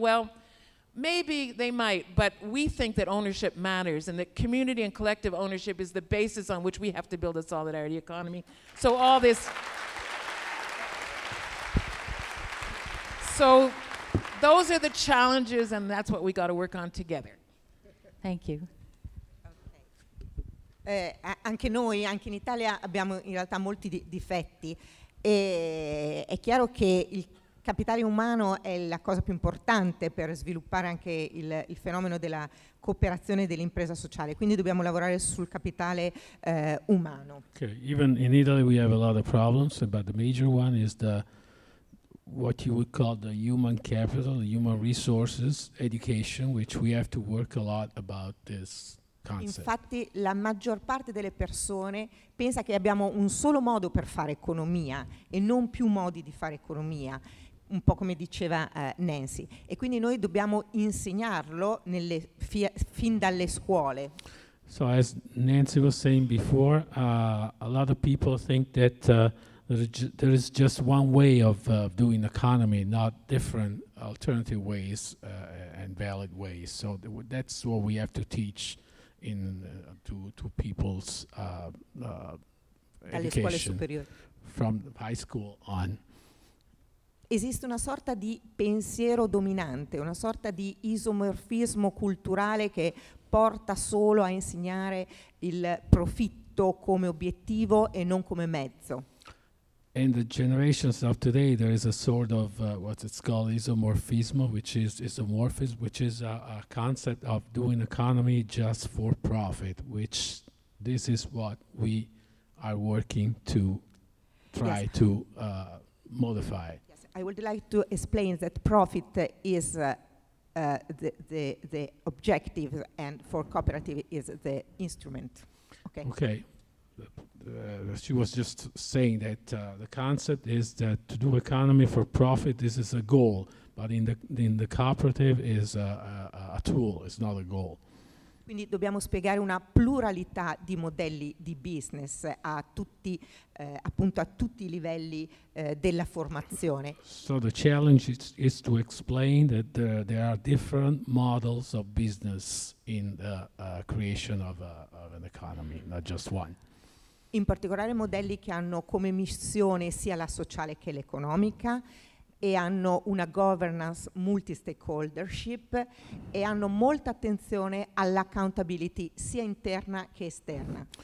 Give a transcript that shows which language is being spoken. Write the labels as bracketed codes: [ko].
[en] Well, maybe they might, but we think that ownership matters and that community and collective ownership is the basis on which we have to build a solidarity economy. So all this... So those are the challenges, and that's what we got to work on together. Thank you. [it] Anche noi, anche in Italia, abbiamo in realtà molti difetti. E è chiaro che il capitale umano è la cosa più importante per sviluppare anche il fenomeno della cooperazione dell'impresa sociale. Quindi dobbiamo lavorare sul capitale umano. [en] Okay. Even in Italy we have a lot of problems, but the major one is the what you would call the human capital, the human resources, education, which we have to work a lot about this. [it] Infatti la maggior parte delle persone pensa che abbiamo un solo modo per fare economia e non più modi di fare economia, un po' come diceva Nancy. E quindi noi dobbiamo insegnarlo fin dalle scuole. [en] So as Nancy was saying before, a lot of people think that there is just one way of doing economy, not different alternative ways and valid ways. So that's what we have to teach. In to people's education from high school on. [it] Esiste una sorta di pensiero dominante, una sorta di isomorfismo culturale che porta solo a insegnare il profitto. avuto come obiettivo e non come mezzo. [en] In the generations of today, there is a sort of what it's called isomorphismo, which is isomorphism, which is a concept of doing economy just for profit, which this is what we are working to try to modify. Yes, I would like to explain that profit is the objective, and for cooperative is the instrument. Okay. Okay. She was just saying that the concept is that to do economy for profit, this is a goal, but in the cooperative is a tool, it's not a goal. [it] Quindi dobbiamo spiegare una pluralità di modelli di business a tutti, appunto a tutti i livelli della formazione. [en] So the challenge is to explain that there are different models of business in the creation of an economy, not just one. [it] In particolare modelli che hanno come missione sia la sociale che l'economica e hanno una governance multi-stakeholdership e hanno molta attenzione all'accountability sia interna che esterna.